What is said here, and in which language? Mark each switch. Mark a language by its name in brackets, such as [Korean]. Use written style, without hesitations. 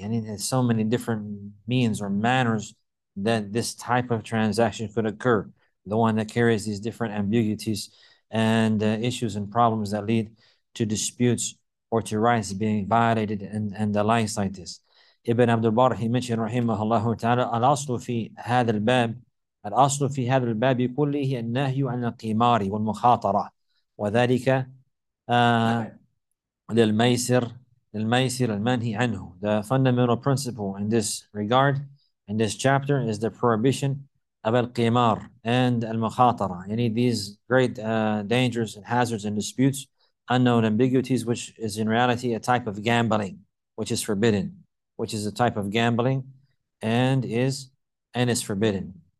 [English] And there's so many different means or manners that this type of transaction could occur. The one that carries these different ambiguities and issues and problems that lead to disputes or to rights being violated and the likes like this. Ibn Abdul Bar, he mentioned, rahimahullah ta'ala, [Arabic] al-aslu fi hadha al-bab. الأصل في هذا الباب كله النهي عن القمار والمخاطرة وذلك للميسر المنهي عنه. [English] The fundamental principle in this regard, in this chapter, is the prohibition of القمار and المخاطرة. Any of these great dangers and hazards and disputes, unknown ambiguities, which is in reality a type of gambling, which is forbidden, which is a type of gambling and is forbidden.